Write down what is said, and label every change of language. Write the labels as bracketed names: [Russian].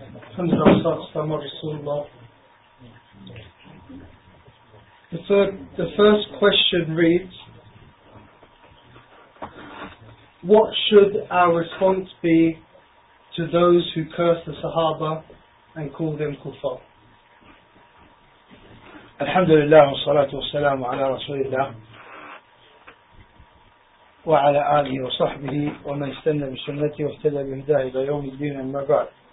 [Arabic] الحمد لله والصلاة والسلام على رسول الله. [English] The first question reads, what should our response be to those who curse the Sahaba and call them kuffar? [Arabic] الحمد لله والصلاة والسلام على رسول الله وعلى آله وصحبه ومن استنى بسنته واهتدى بهداه إلى يوم الدين أما بعد.